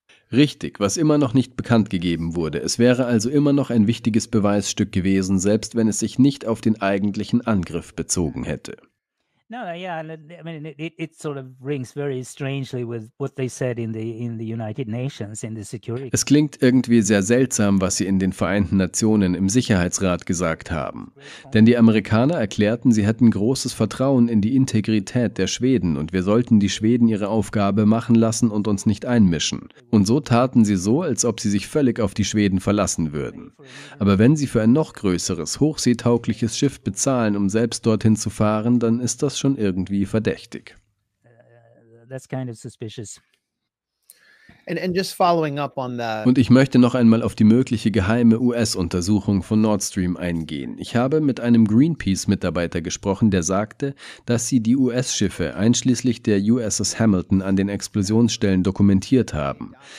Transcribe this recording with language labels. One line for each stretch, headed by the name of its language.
German: Richtig, was immer noch nicht bekannt gegeben wurde. Es wäre also immer noch ein wichtiges Beweisstück gewesen, selbst wenn es sich nicht auf den eigentlichen Angriff bezogen hätte.
English: No, yeah, I mean, it sort of rings very strangely with what they said in the United Nations in the Security.
German: Es klingt irgendwie sehr seltsam, was sie in den Vereinten Nationen im Sicherheitsrat gesagt haben. Denn die Amerikaner erklärten, sie hätten großes Vertrauen in die Integrität der Schweden und wir sollten die Schweden ihre Aufgabe machen lassen und uns nicht einmischen. Und so taten sie so, als ob sie sich völlig auf die Schweden verlassen würden. Aber wenn sie für ein noch größeres, hochseetaugliches Schiff bezahlen, um selbst dorthin zu fahren, dann ist das schon irgendwie verdächtig.
English: That's kind of suspicious. And just following up on that.
German: Und ich möchte noch einmal auf die mögliche geheime US-Untersuchung von Nord Stream eingehen. Ich habe mit einem Greenpeace-Mitarbeiter gesprochen, der sagte, dass sie die US-Schiffe einschließlich der USS Hamilton an den Explosionsstellen dokumentiert haben.